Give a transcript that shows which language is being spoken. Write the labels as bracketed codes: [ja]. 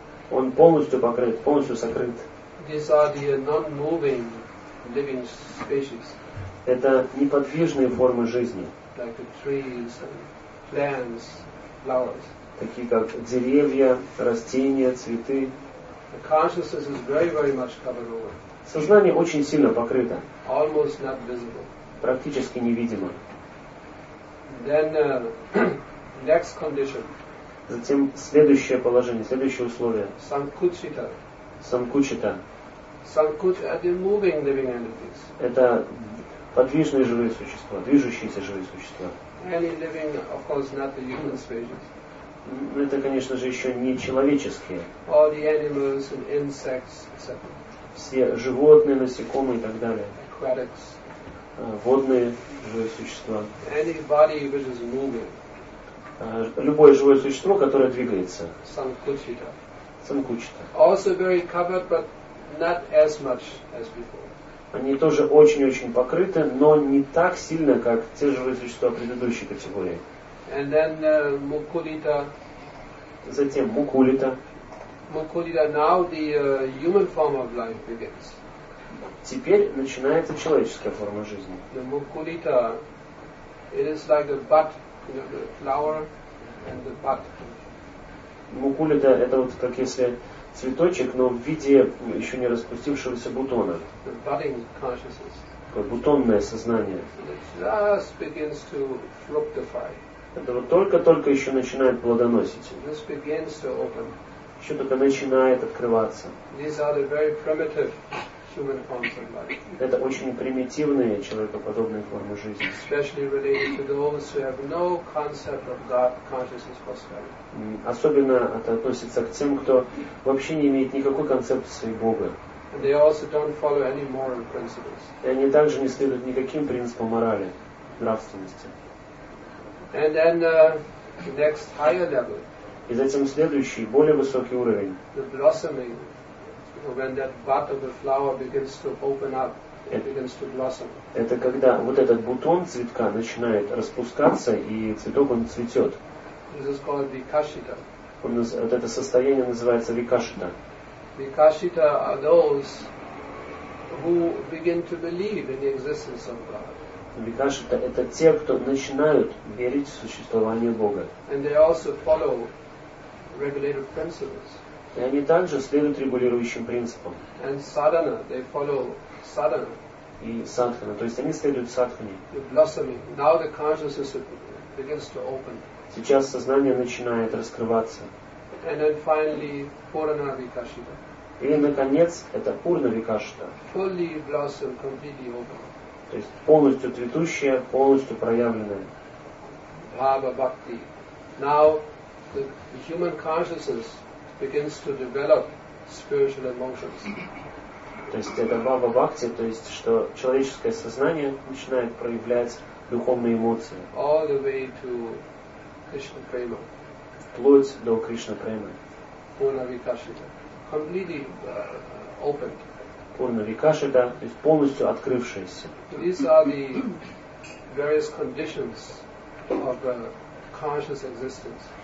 [ru] Он полностью покрыт, полностью сокрыт. [en] These are the non-moving living species. [ru] Это неподвижные формы жизни. [en] Like the trees and plants, flowers. [ru] Такие как деревья, растения, цветы. [en] The consciousness is very, very much covered over. [ru] Сознание очень сильно покрыто. [en] Almost not visible. [ru] Практически невидимо. [en] Then, next condition. [ru] Затем следующее положение, следующее условие. [en] Sankuchita. [ru] Sankuchita. [en] Sankuchita are the moving living entities. [ru] Это подвижные живые существа, движущиеся живые существа. [en] Any living, of course, not the human species. [ru] Но это, конечно же, еще не человеческие. [en] All the animals and insects, etc. [ru] Все животные, насекомые и так далее. [en] Aquatics. [ru] Водные живые существа. [en] Any body which is moving. [ru] Любое живое существо, которое двигается. [en] Sankuchita. [ru] Sankuchita. [en] Also very covered, but not as much as before. [ru] Они тоже очень-очень покрыты, но не так сильно, как те живые существа предыдущей категории. [en] And then Mukulita. [ru] Затем Mukulita. [en] Mukulita, now the human form of life begins. [ru] Теперь начинается человеческая форма жизни. [en] The Mukulita, it is like the bud, you know, the flower and the bud. [ru] Mukulita, это вот как если цветочек, но в виде еще не распустившегося бутона. [en] The budding consciousness. [ru] Бутонное сознание. [en] It just begins to fructify. [ru] Это вот только-только еще начинает плодоносить. [en] This begins to open. [ru] Еще только начинает открываться. [en] These are the very primitive human forms of life. [ru] Это очень примитивные человекоподобные формы жизни. [en] Especially related to those who have no concept of God consciousness whatsoever. [ru] Особенно это относится к тем, кто вообще не имеет никакой концепции Бога. [en] And they also don't follow any moral principles. [ru] И они также не следуют никаким принципам морали, нравственности. [en] And then the next higher level. [ru] И затем следующий, более высокий уровень. [en] The blossoming, when that bud of the flower begins to open up, it begins to blossom. [ru] Это когда вот этот бутон цветка начинает распускаться и цветок он цветет. [en] This is called vikashita. [ru] Вот это состояние называется vikashita. [en] Vikashita are those who begin to believe in the existence of God. [ru] Викашита — это те, кто начинают верить в существование Бога. [en] And they also follow regulated principles. [ru] И они также следуют регулирующим принципам. [en] And sadhana, they follow sadhana. [ru] И садхана, то есть они следуют садхане. [en] The blossoming. Now the consciousness begins to open. [ru] Сейчас сознание начинает раскрываться. [en] And then finally, purna vikashita. [ru] И, наконец, это пурна викашита. [en] Fully blossom, completely open. [ru] То есть полностью цветущая, полностью проявленная. [en] Bhava Bhakti. Now the human consciousness begins to develop spiritual emotions. [ru] То есть это Bhava Bhakti, то есть что человеческое сознание начинает проявлять духовные эмоции. [en] All the way to Krishna Prema. [ru] Вплоть до Кришна Премы. [en] Purna Vikashita. Completely open. [ru] Пурна Викашита, то есть полностью открывшаяся. [en] These are the various conditions of the conscious existence.